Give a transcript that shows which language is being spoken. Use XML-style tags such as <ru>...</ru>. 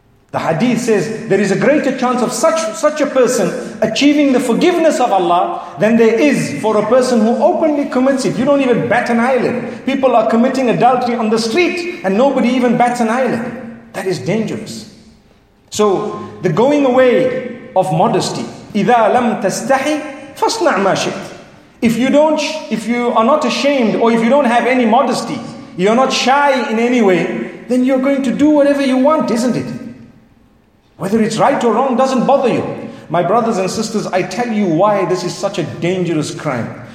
<en>The hadith says there is a greater chance of such a person achieving the forgiveness of Allah than there is for a person who openly commits it. You don't even bat an eyelid. People are committing adultery on the street and nobody even bats an eyelid. That is dangerous. So the going away of modesty.</en> <ar>إذا لم تستحي فاصنع ما شئت.</ar> <en>If you are not ashamed, or if you don't have any modesty, you're not shy in any way, then you're going to do whatever you want, isn't it? Whether it's right or wrong doesn't bother you. My brothers and sisters, I tell you why this is such a dangerous crime.</en>